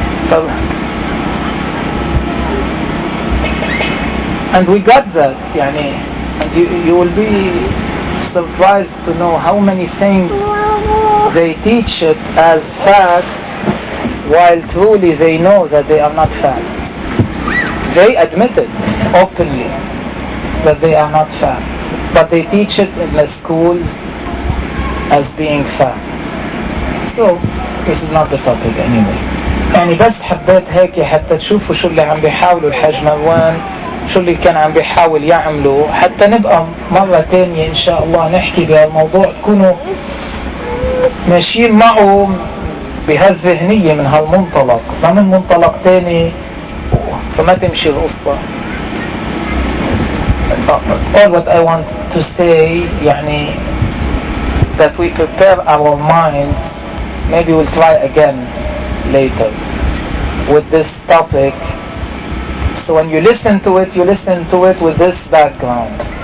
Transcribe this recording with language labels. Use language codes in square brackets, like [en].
[en] So, and we got that, yani, and you will be surprised to know how many things they teach it as fact, while truly they know that they are not fact. They admit it openly that they are not fact, but they teach it in the schools as being fact. So this is not the topic anyway. [ar] يعني بس حبيت هيك حتى تشوفوا شو اللي عم بيحاولوا الحاج مروان, شو اللي كان عم بيحاول يعملوا, حتى نبقى مرة تانية إن شاء الله نحكي بهالموضوع, تكونوا ماشيين معه بهالذهنية من هالمنطلق, ما من منطلق تاني فما تمشي القصة. [en] All what I want to say, يعني, that we prepare our mind, maybe we'll try again later with this topic, So when you listen to it, you listen to it with this background.